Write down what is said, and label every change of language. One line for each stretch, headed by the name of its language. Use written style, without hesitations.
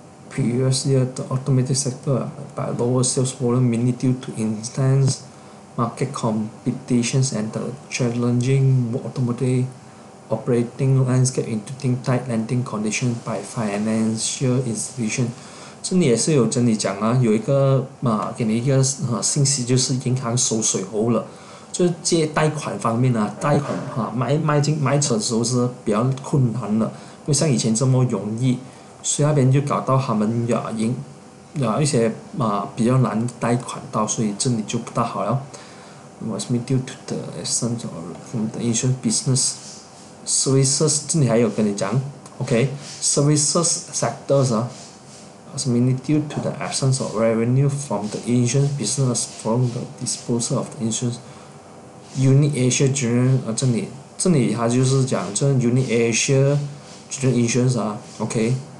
English: Previously, the automotive sector by lower sales volume mainly due to intense market competitions and the challenging automotive operating landscape including tight lending conditions by financial institutions.
Chinese: 这里也是有跟你讲啊，有一个嘛，给你一个信息，就是银行收水喉了，就是借贷款方面啊，贷款啊，买车的时候是比较困难了，不像以前这么容易。所以那边就搞到他们一些比较难贷款到，所以这里就不大好了。
English: Was made due to the essence of the insurance business services，
Chinese: 这里还有跟你讲
English: ，OK， services sectors 啊 ，was made due to the absence of revenue from the insurance business from the disposal of the insurance unit Asia General 啊，
Chinese: 这里他就是讲这
English: unit Asia General Insurance 啊 ，OK。